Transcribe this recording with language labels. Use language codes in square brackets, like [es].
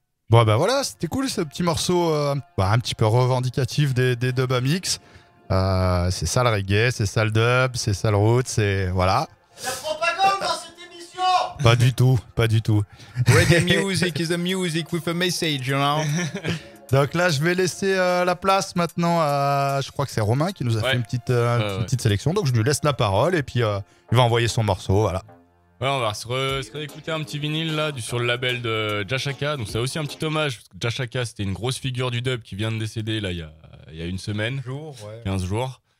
[fr] Bon, bah voilà, c'était cool ce petit morceau bah, un petit peu revendicatif des dubs à mix. C'est ça le reggae, c'est ça le dub, c'est ça le roots, c'est. Voilà. La propagande dans cette émission! Pas du tout, pas du tout. [en] Reggae music is a music with a message, you know? [fr] Donc là, je vais laisser la place maintenant à. Je crois que c'est Romain qui nous a fait une petite, petite sélection. Donc je lui laisse la parole et puis il va envoyer son morceau, voilà. Ouais, on va se réécouter un petit vinyle là sur le label de Jashaka. Donc c'est aussi un petit hommage parce que Jashaka c'était une grosse figure du dub qui vient de décéder là il y a une semaine, 15 jours.